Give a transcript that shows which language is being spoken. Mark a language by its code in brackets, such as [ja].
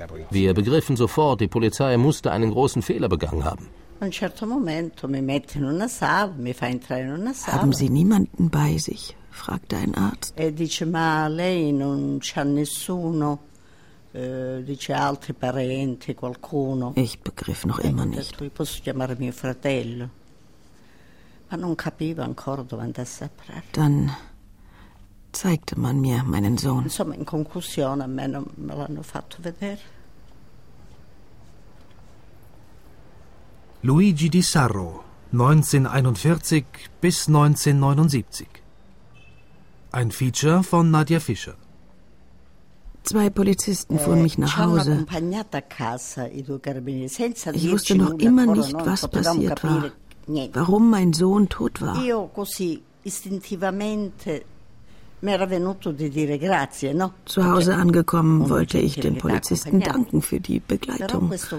[de] Wir begriffen sofort, die Polizei musste einen großen Fehler begangen haben. Haben Sie niemanden bei sich? Fragte ein Arzt. [it] E dice, ma lei non c'ha nessuno, dice altri parenti, qualcuno. [de] Ich begriff noch immer nicht. [it] Detto, posso chiamare mio fratello. Ma non capivo ancora dove andasse a parlare. [de] Dann zeigte man mir meinen Sohn. [it] Insomma, in conclusione, a me non me l'hanno fatto vedere. [de] Luigi Di Sarro, 1941 bis 1979. Ein Feature von Nadia Fischer. Zwei Polizisten fuhren mich nach Hause. Ich wusste noch immer nicht, was passiert war, warum mein Sohn tot war. [it] Io così istintivamente m'era venuto di dire grazie, no? [de] Zu Hause angekommen, wollte ich den Polizisten danken für die Begleitung.